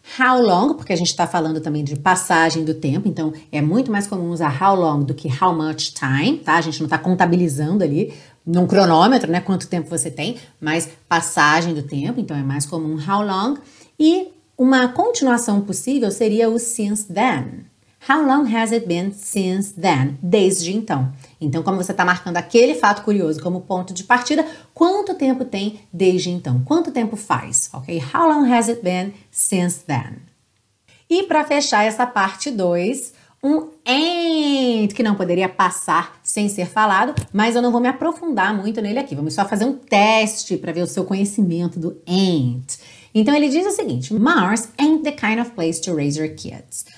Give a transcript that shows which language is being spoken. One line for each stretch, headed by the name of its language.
Portuguese: How long, porque a gente está falando também de passagem do tempo, então é muito mais comum usar how long do que how much time, tá? A gente não está contabilizando ali num cronômetro, né, quanto tempo você tem, mas passagem do tempo, então é mais comum how long. E uma continuação possível seria o since then.
English: How long has it been since then?
Portuguese: Desde então. Então, como você está marcando aquele fato curioso como ponto de partida, quanto tempo tem desde então? Quanto tempo faz? Ok?
English: How long has it been since then?
Portuguese: E para fechar essa parte 2, um ain't, que não poderia passar sem ser falado, mas eu não vou me aprofundar muito nele aqui. Vamos só fazer um teste para ver o seu conhecimento do ain't. Então, ele diz o seguinte,
English: Mars ain't the kind of place to raise your kids.